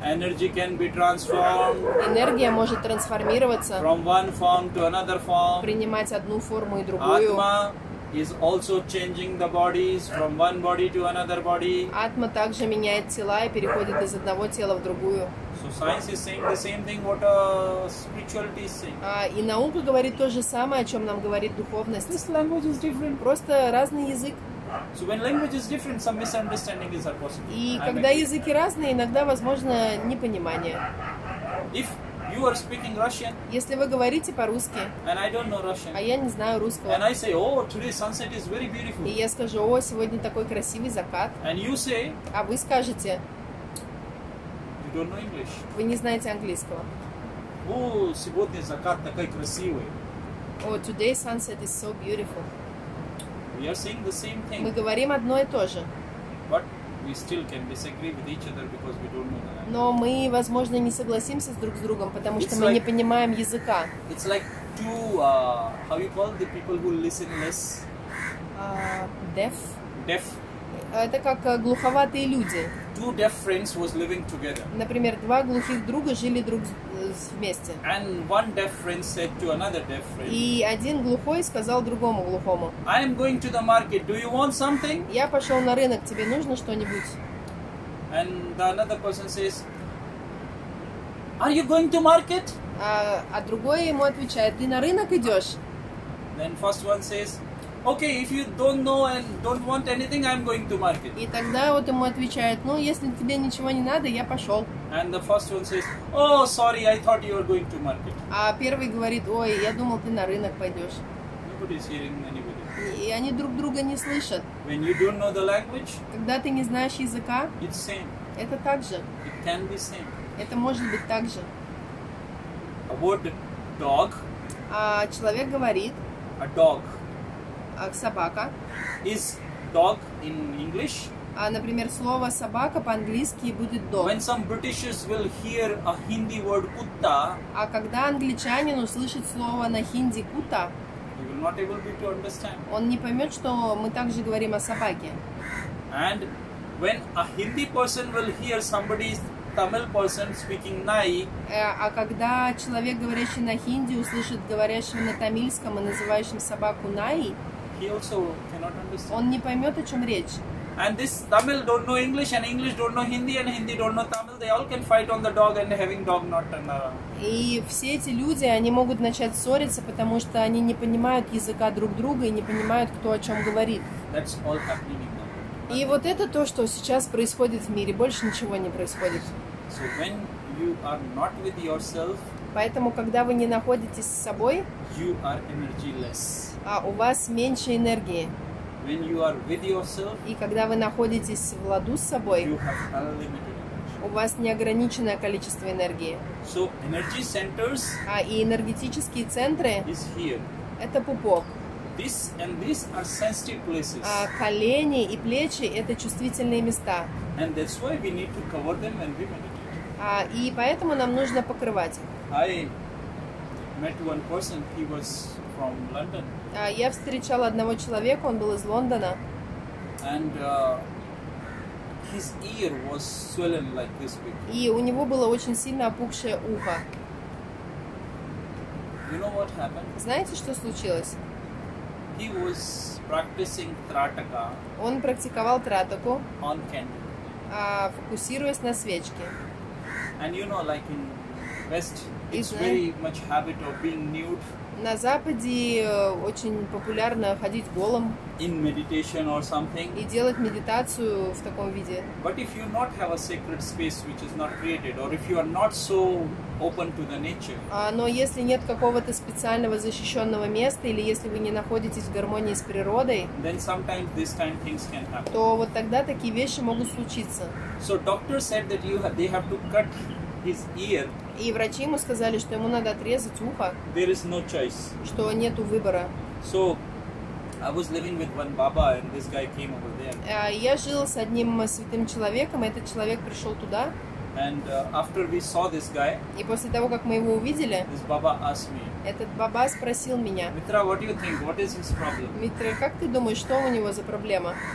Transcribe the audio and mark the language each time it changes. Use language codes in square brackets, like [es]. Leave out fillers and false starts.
[en] Energy can be transformed. [ru] Энергия может трансформироваться. [en] From one form to another form. [ru] Принимать одну форму и другую. [en] Atma is also changing the bodies from one body to another body. [ru] Атма также меняет тела и переходит из одного тела в другую. [en] So science is saying the same thing what spirituality is saying. [ru] И наука говорит то же самое, о чем нам говорит духовность. [en] This language is different. [ru] Просто разный язык. [en] So when language is different, some misunderstandings are possible. [ru] И когда языки разные, иногда возможно непонимание. [en] If you are speaking Russian. [ru] Если вы говорите по-русски. [en] And I don't know Russian. [ru] А я не знаю русского. [en] And I say, oh, today sunset is very beautiful. [ru] И я скажу, о, сегодня такой красивый закат. [en] And you say. [ru] А вы скажете. [en] You don't know English. [ru] Вы не знаете английского. Oh, сегодня закат такой красивый. [en] Oh, today sunset is so beautiful. We are saying the same thing. [ru] Мы говорим одно и то же. [en] But we still can disagree with each other because we don't know that. [ru] Но мы, возможно, не согласимся с друг с другом, потому что мы не понимаем языка. [en] It's like two, how you call the people who listen less? Deaf. Deaf. [ru] Это как глуховатые люди. [en] Two deaf friends was living together. [ru] Например, два глухих друга жили друг вместе. [en] And one deaf friend said to another deaf friend. [ru] И один глухой сказал другому глухому. [en] I am going to the market. Do you want something? [ru] Я пошел на рынок. Тебе нужно что-нибудь? [en] And the another person says, Are you going to market? [ru] А другой ему отвечает, ты на рынок идешь? [en] Then first one says, Okay, if you don't know and don't want anything, I'm going to market. [ru] И тогда вот ему отвечает, ну если тебе ничего не надо, я пошел. [en] And the first one says, Oh, sorry, I thought you were going to market. [ru] А первый говорит, ой, я думал, ты на рынок пойдешь. [en] Nobody's hearing anybody. [ru] И они друг друга не слышат. [en] When you don't know the language, [ru] когда ты не знаешь языка, [en] it's same. [ru] Это так же. [en] It can be same. [ru] Это может быть так же. [en] A word dog. [ru] А человек говорит. [en] A dog. [ru] А собака. [en] Is dog in English? [ru] А, например, слово собака по-английски будет dog. [en] When some Britishers will hear a Hindi word kutta. [ru] А когда англичанин услышит слово на хинди кута. [en] Not able be to understand. [ru] Он не поймет, что мы также говорим о собаке. [en] And when a Hindi person will hear somebody's Tamil person speaking Nai. [ru] А когда человек, говорящий на хинди, услышит говорящего на тамильском и называющим собаку Nai, [en] he also cannot understand. [ru] Он не поймет, о чем речь. [en] And this Tamil don't know English, and English don't know Hindi, and Hindi don't know Tamil. They all can fight on the dog and having dog not turn around. [ru] И все эти люди, они могут начать ссориться, потому что они не понимают языка друг друга и не понимают, кто о чем говорит. [en] That's all happening in the world. [ru] И вот это то, что сейчас происходит в мире. Больше ничего не происходит. [en] So when you are not with yourself, [ru] поэтому, когда вы не находитесь с собой, [en] you are energyless. [ru] А у вас меньше энергии. [en] When you are with yourself, [ru] и когда вы находитесь в ладу с собой, [en] you have unlimited energy. [ru] У вас неограниченное количество энергии. [en] So energy centers, [ru] а и энергетические центры [en] is here. [ru] Это пупок. [en] This and this are sensitive places. [ru] А колени и плечи это чувствительные места. [en] And that's why we need to cover them when we meditate. [ru] А и поэтому нам нужно покрывать. [en] I met one person, he was from London. [ru] Я встречал одного человека, он был из Лондона. [en] And, his ear was swollen like this big. [ru] И у него было очень сильно опухшее ухо. [en] You know what happened? [ru] Знаете, что случилось? [en] He was practicing тратака. [ru] Он практиковал тратаку. [en] On candle. [ru] Фокусируясь на свечке. [en] And you know, like in West, it's very much habit of being nude. [ru] На Западе очень популярно ходить голым [en] in meditation or something. [ru] И делать медитацию в таком виде. [en] But if you not have a sacred space which is not created, or if you are not so open to the nature. [ru] Но если нет какого-то специального защищенного места или если вы не находитесь в гармонии с природой, [en] then sometimes this kind of things can happen. [ru] То вот тогда такие вещи могут случиться. [en] So doctor said that they have to cut his ear. [ru] И врачи ему сказали, что ему надо отрезать ухо. [en] There is no choice. [ru] Что нету выбора. [en] So, I was living with one Baba, and this guy came over there. [ru] Я жил с одним святым человеком, и этот человек пришел туда. [en] And after we saw this guy, [ru] и после того, как мы его увидели, [en] this Baba asked me, [ru] этот Баба спросил меня, [en] Mitra, what do you think? What is his problem? [ru] Mitra, как ты думаешь, что у него за проблема?